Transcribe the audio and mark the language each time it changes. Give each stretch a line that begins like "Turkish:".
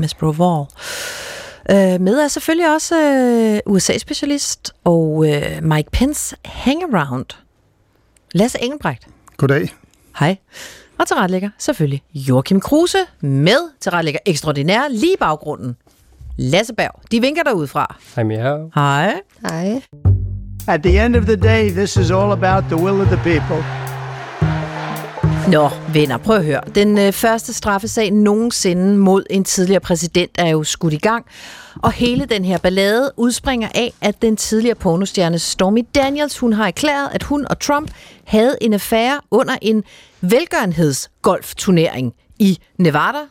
Danish: Miss Browell. Med er selvfølgelig også USA-specialist og Mike Pence hangaround, Lasse Engelbrecht. Goddag. Hej. Og tilrettelægger selvfølgelig Joachim Kruse, med tilrettelægger ekstraordinær lige baggrunden, Lasse Berg. De vinker derude fra. Hej med jer. Hej. Hej.
English: At the end of the day, this is all about the will of the people.
Danish: Nå, venner, prøv at høre. Den første straffesag nogensinde mod en tidligere præsident er jo skudt i gang. Og hele den her ballade udspringer af, at den tidligere pornostjerne Stormy Daniels, hun har erklæret, at hun og Trump havde en affære under en velgørenhedsgolfturnering i Nevada.